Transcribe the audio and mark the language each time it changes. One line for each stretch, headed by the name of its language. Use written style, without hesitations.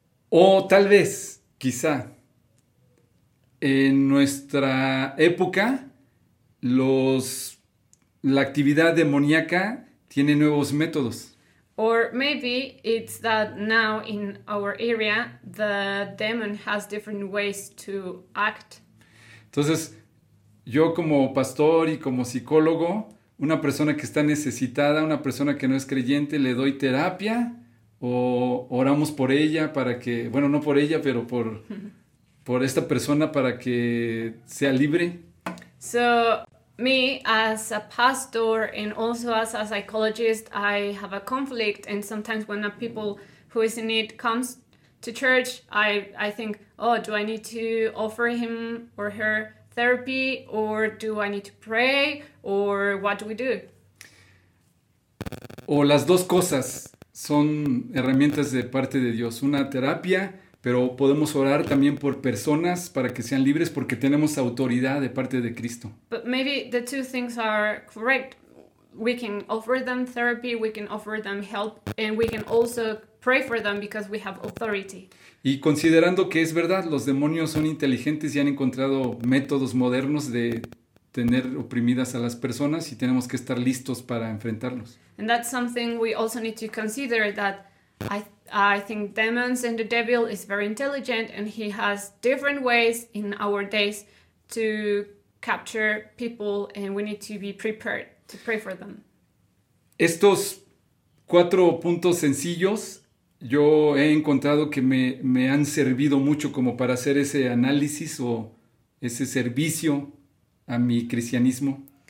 Spanish: O tal vez, quizá, en nuestra época, la actividad demoníaca tiene nuevos métodos.
English: Or maybe it's that now in our area, the demon has different ways to act.
Spanish: Entonces, yo como pastor y como psicólogo, una persona que está necesitada, una persona que no es creyente, le doy terapia o oramos por ella para que, bueno, no por ella, pero por esta persona para que sea libre.
English: So, me as a pastor and also as a psychologist, I have a conflict, and sometimes when a people who is in need comes to church, I think, oh, do I need to offer him or her therapy, or do I need to pray, or what do we do?
Spanish: O las dos cosas son herramientas de parte de Dios. Una terapia, pero podemos orar también por personas para que sean libres porque tenemos autoridad de parte de Cristo.
English: But maybe the two things are correct. We can offer them therapy, we can offer them help, and we can also pray for them because we have authority.
Spanish: Y considerando que es verdad, los demonios son inteligentes y han encontrado métodos modernos de tener oprimidas a las personas, y tenemos que estar listos para enfrentarlos.
English: And that's something we also need to consider, that I think demons and the devil is very intelligent, and he has different ways in our days to capture people, and we need to be prepared to pray for them.
Spanish: Estos cuatro puntos sencillos yo he encontrado que me han servido mucho como para hacer ese análisis o ese servicio a mi cristianismo.